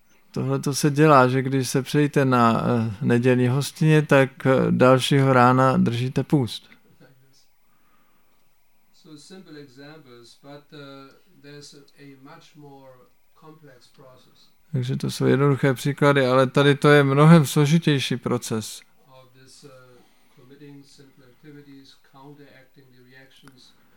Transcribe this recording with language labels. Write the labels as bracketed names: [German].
[Czech] Tohle to se dělá, že když se přejíte na nedělní hostině, tak dalšího rána držíte půst. [English] So simple examples, but there's a much more complex process. [Czech] Takže to jsou jednoduché příklady, ale tady to je mnohem složitější proces. [English] Of this committing simple activities, counteracting the reactions.